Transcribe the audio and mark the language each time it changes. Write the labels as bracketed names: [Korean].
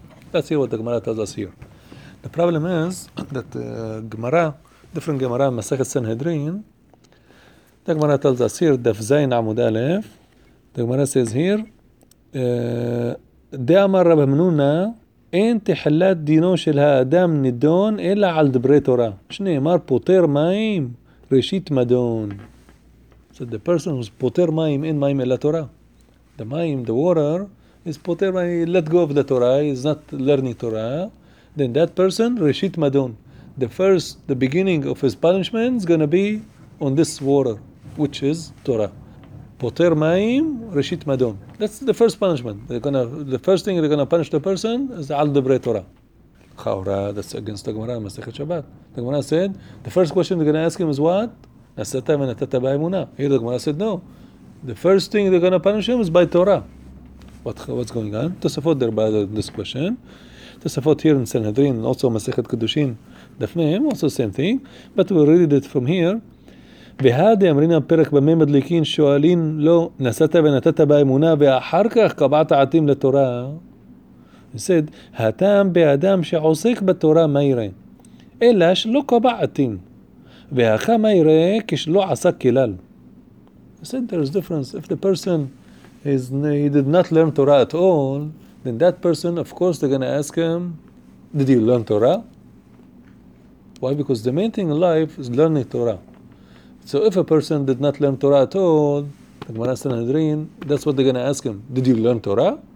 [English] That's here what the Gemara tells us here. The problem is that Gemara, different Gemara, Masechet Sanhedrin, the Gemara tells us here, Daf Zayin Amud Alef, the Gemara says here, De'amar Rabbi Menuna, [Hebrew] אין תחלת דינו של האדם נדון אלא על דברי תורה. שנאמר פותר מים ראשית מדון. [English] So the person who's [Hebrew] פותר מים, אין מים אלא תורה. [English] The מים, the water, is פותר מים, let go of the Torah, is not learning Torah. Then that person, [Hebrew] ראשית מדון. [English] The first, the beginning of his punishment is going to be on this water, which is Torah. [Hebrew] Poter ma'im reshit madon. [English] That's the first punishment. The first thing they're going to punish the person is [Hebrew] al debre Torah. [English] Chaura, that's against the Gemara, Masechet Shabbat. The Gemara said, the first question they're going to ask him is what? [Hebrew] Nasata v'natata ba'emuna. [English] Here the Gemara said, no. The first thing they're going to punish him is by Torah. What's going on? Tosafot there by this question. Tosafot here in Sanhedrin, also Masechet Kedushin, Dafmeim, also same thing. But we read it from here. [Hebrew] והאדי אמרין הפרק במה מדליקין שואלין לו נסעת ונתת באמונה ואחר כך קבעת עתים לתורה. [English] He said, [Hebrew] הטעם באדם שעוסק בתורה מה יראה? אלא שלא קבע עתים. והכה מה יראה כשלא עסק כלל. [English] He said, there is difference. If the person is, he did not learn Torah at all, then that person, of course, they're going to ask him, did you learn Torah? Why? Because the main thing in life is learning Torah. So if a person did not learn Torah at all, the Master Sanhedrin, that's what they're going to ask him. Did you learn Torah?